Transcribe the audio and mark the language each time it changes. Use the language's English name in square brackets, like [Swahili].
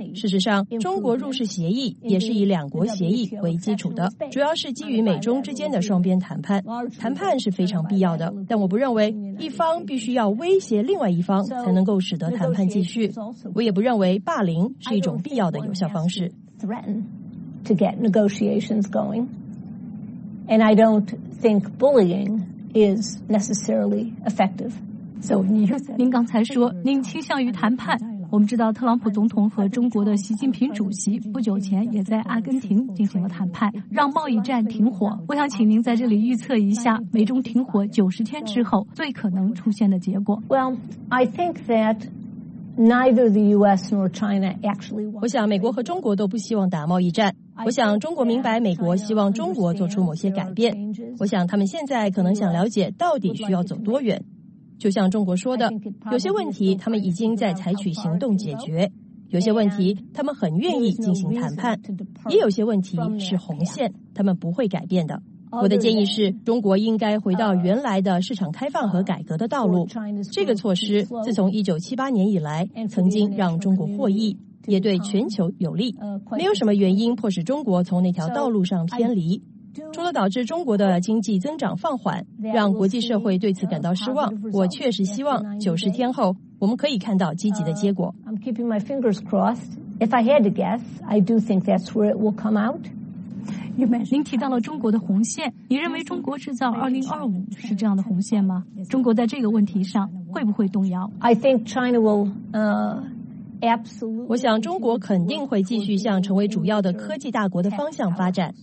[Chinese] 事实上，中国入世协议也是以两国协议为基础的，主要是基于美中之间的双边谈判。谈判是非常必要的，但我不认为一方必须要威胁另外一方才能够使得谈判继续。我也不认为霸凌是一种必要的有效方式。 [English] To get negotiations going. And I don't think bullying is necessarily effective. So, [Chinese] 您刚才说您倾向于谈判。我们知道特朗普总统和中国的习近平主席不久前也在阿根廷进行了谈判，让贸易战停火。我想请您在这里预测一下美中停火90天之后最可能出现的结果。 [English] Well, I think that neither the US nor China actually want. [Chinese] 我想美国和中国都不希望打贸易战。我想中国明白美国希望中国做出某些改变。我想他们现在可能想了解到底需要走多远。就像中国说的，有些问题他们已经在采取行动解决，有些问题他们很愿意进行谈判，也有些问题是红线，他们不会改变的。我的建议是，中国应该回到原来的市场开放和改革的道路。这个措施自从1978年以来曾经让中国获益，也对全球有利，没有什么原因迫使中国从那条道路上偏离，除了导致中国的经济增长放缓，让国际社会对此感到失望。我确实希望90天后我们可以看到积极的结果。 [English] I'm keeping my fingers crossed. If I had to guess, I do think that's where it will come out. [Chinese] 您提到了中国的红线，你认为中国制造2025是这样的红线吗？中国在这个问题上会不会动摇？ [English] I think China will, [Chinese] 我想中国肯定会继续向成为主要的科技大国的方向发展。